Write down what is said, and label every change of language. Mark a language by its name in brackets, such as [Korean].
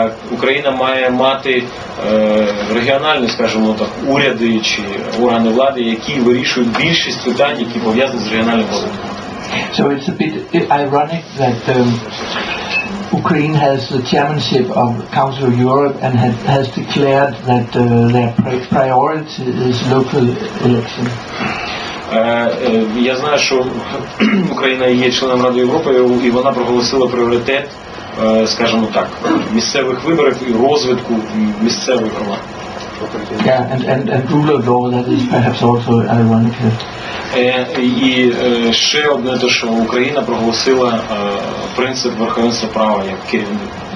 [Ukrainian] Україна має мати регіональні, скажімо так, уряди чи органи влади, які вирішують більшість питань, які пов'язані з регіональним розвитком. [English] So it's a bit ironic that Ukraine has the chairmanship of Council of Europe and has declared that their priority is local election. [Ukrainian] Я знаю, що Україна є членом Ради Європи, і вона проголосила пріоритет, скажімо так, місцевих виборів і розвитку місцевих громад. [English] Yeah, and rule of law, that is perhaps also ironic. [Ukrainian] І ще одне те, що Україна проголосила принцип верховенства права як керівник.